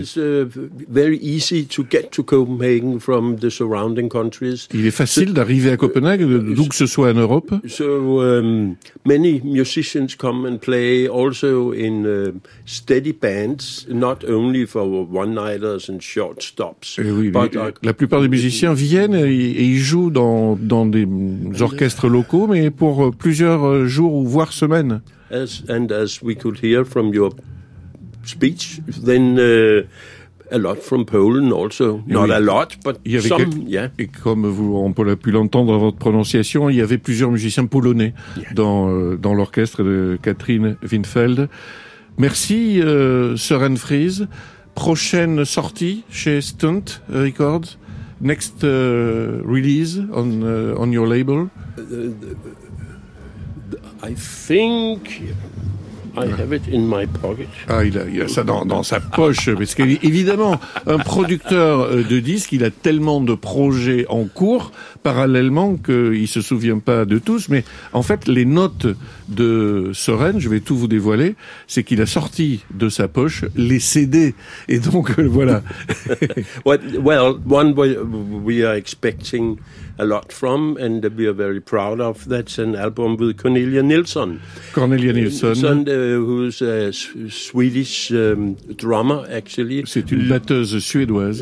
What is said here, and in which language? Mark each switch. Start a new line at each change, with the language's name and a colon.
English: It's very easy to get to Copenhagen from the surrounding countries.
French: Il est facile d'arriver à Copenhague, d'où que ce soit en Europe.
English: So many musicians come and play also in steady bands, not only for one-nighters and short stops.
French: La plupart des musiciens viennent et ils jouent dans des orchestres locaux, mais pour plusieurs jours ou voire semaines.
English: As we could hear from your speech, then a lot from Poland also.
French: Et comme on peut l'entendre dans votre prononciation, il y avait plusieurs musiciens polonais dans l'orchestre de Catherine Winfeld. Merci, Søren Friis. Prochaine sortie chez Stunt Records.
English: Next release on your label. I think I have it in my pocket.
French: Ah, il a ça dans sa poche. Parce qu'évidemment, un producteur de disques, il a tellement de projets en cours parallèlement qu'il ne se souvient pas de tous. Mais en fait, les notes de Søren, je vais tout vous dévoiler, c'est qu'il a sorti de sa poche les CD. Et donc, voilà.
English: Well, one we are expecting a lot from, and we are very proud of, that's an album with Cornelia Nilsson. Who's a Swedish drummer, actually.
French: C'est une batteuse suédoise.